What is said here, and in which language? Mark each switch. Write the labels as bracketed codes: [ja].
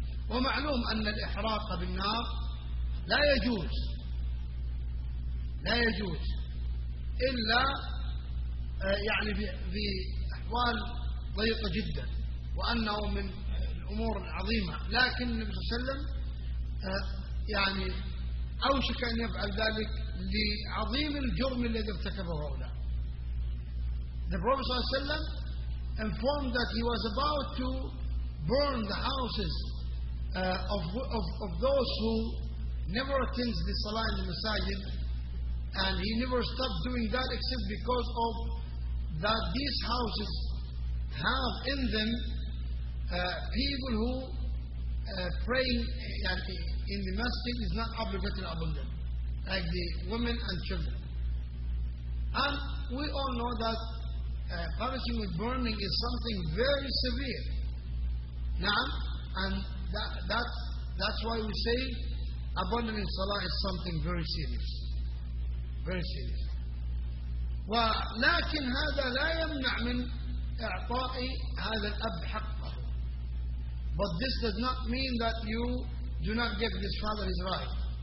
[ar] ومعلوم أن الإحراق بالنار لا يجوز, لا يجوز إلا يعني في أحوال ضيقة جدا, وأنه من الأمور العظيمة. لكن النبي صلى الله عليه وسلم يعني أوشك أن يفعل ذلك لعظيم الجرم الذي ارتكبه هؤلاء. [en] The Prophet [ar] صلى الله عليه وسلم [en] informed that he was about to burn the houses of those who never attends the Salah in the Masajid, and he never stopped doing that except because of that these houses have in them people who praying in the masjid is not obligated upon them, like the women and children. And we all know that punishing with burning is something very severe. Now, and that's why we say abandoning salah is something very serious, very serious. [ar] ولكن هذا لا يمنع من إعطاء هذا الأب حقه. [en] But this does not mean that you do not give this father his right.